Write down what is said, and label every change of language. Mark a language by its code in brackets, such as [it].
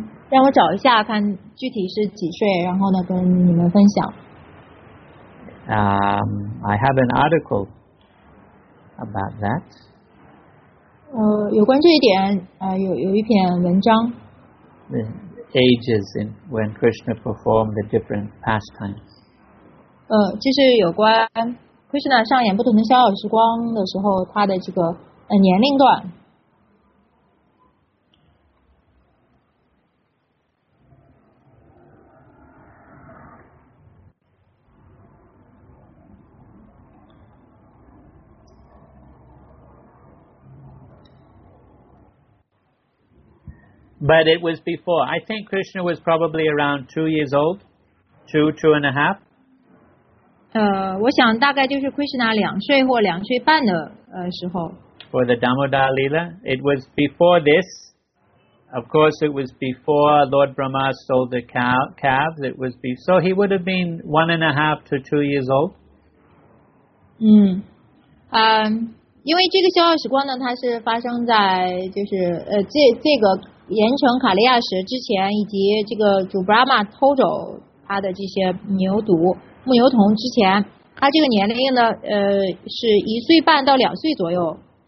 [zh] 让我找一下，看具体是几岁，然后呢跟你们分享。 [en] I have an article about that. [zh] 有关这一点，有一篇文章。 [en] The ages in when Krishna performed the different pastimes. [zh] 就是有关。Krishna 上演不同的逍遥时光的时候，他的这个年龄段。 [en] But it was before. I think Krishna was probably around 2 years old, two and a half. [zh] 我想大概就是 Krishna 两岁或两岁半的时候。 [en] For the Damodara Lila, it was before this. Of course, it was before Lord Brahma stole the calves. It was so he would have been 1.5 to 2 years old. [zh] 因为这个修道时光呢，它是发生在就是这个盐城卡利亚什之前，以及这个主布拉玛偷走他的这些牛犊牧牛童之前，他这个年龄呢，是一岁半到两岁左右。